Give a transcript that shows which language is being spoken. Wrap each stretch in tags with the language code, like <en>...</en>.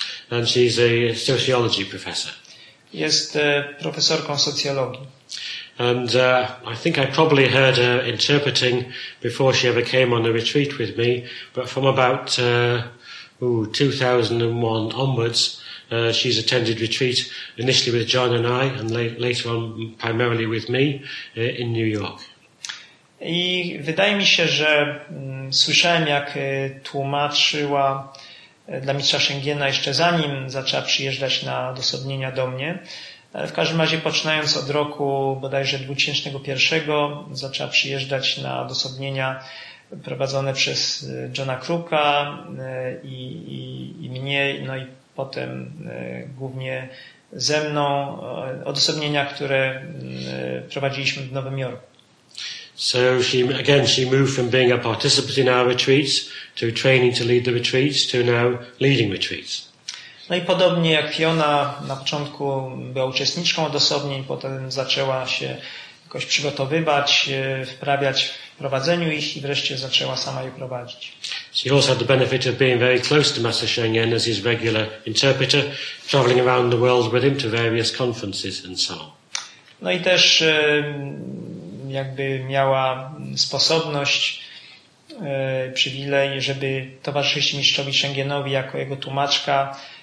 <en>And she's a sociology professor.</en> <pl>Jest profesorką socjologii.</pl> <en>And I think I probably heard her interpreting before she ever came on a retreat with me, but from about 2001 onwards, she's attended retreat initially with John and I, and later on primarily with me in New York.</en> <pl>I wydaje mi się, że słyszałem, jak tłumaczyła dla mistrza Shengena jeszcze zanim zaczęła przyjeżdżać na dosłownienia do mnie. Ale w każdym razie, poczynając od roku bodajże 2001, zaczęła przyjeżdżać na dosłownienia prowadzone przez Johna Kruka i mnie, no i potem głównie ze mną, odosobnienia, które prowadziliśmy w Nowym Jorku.</pl> <en>So she moved from being a participant in our retreats to training to lead the retreats to now leading retreats.</en> <pl>No i podobnie jak Fiona, na początku była uczestniczką odosobnień, potem zaczęła się jakoś przygotowywać, wprawiać w prowadzeniu ich i wreszcie zaczęła sama je prowadzić.</pl> <en>She also had the benefit of being very close to Master Shengen as his regular interpreter, traveling around the world with him to various conferences and so on.</en> <pl>No i też jakby miała sposobność, przywilej, żeby towarzyszyć mistrzowi Shengenowi jako jego tłumaczka.</pl>